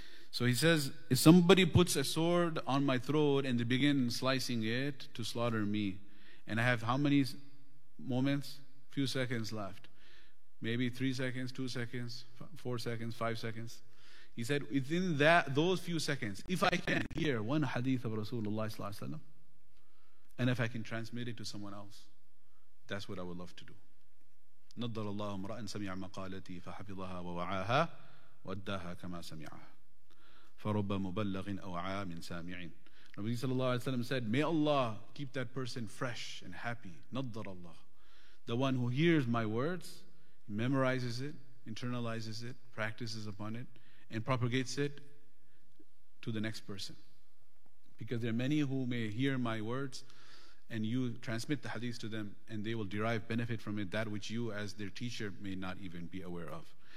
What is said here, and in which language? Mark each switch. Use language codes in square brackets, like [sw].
[en] So he says, if somebody puts a sword on my throat and they begin slicing it to slaughter me, and I have how many moments? Few seconds left. Maybe 3 seconds, 2 seconds, 4 seconds, 5 seconds. He said, within that those few seconds, if I can hear one hadith of Rasulullah, and if I can transmit it to someone else, that's what I would love to do. [ar] نضر الله امرأ سمع مقالتي فحفظها ووعاها وأداها كما سمعها فرب مبلغ أوعى من سامع. [en] Nabi sallallahu alayhi wa sallam said, may Allah keep that person fresh and happy. [ar] نضر الله. [en] The one who hears my words, memorizes it, internalizes it, practices upon it, and propagates it to the next person. Because there are many who may hear my words, and you transmit the hadith to them, and they will derive benefit from it, that which you as their teacher may not even be aware of.